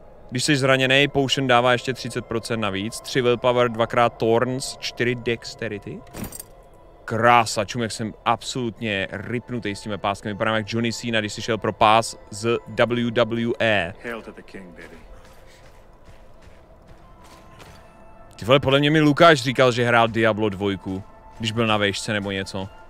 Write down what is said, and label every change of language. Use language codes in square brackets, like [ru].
[cs] Když jsi zraněný, potion dává ještě 30% navíc. 3 willpower, 2x thorns, 4 dexterity. Krása, čum, jak jsem absolutně ripnutý s tímhle páskem. Vypadám jak Johnny Cena, když jsi šel pro pás z WWE. [en] Hail to the king, baby. [cs] Ty vole, podle mě mi Lukáš říkal, že hrál Diablo 2, když byl na vejšce nebo něco.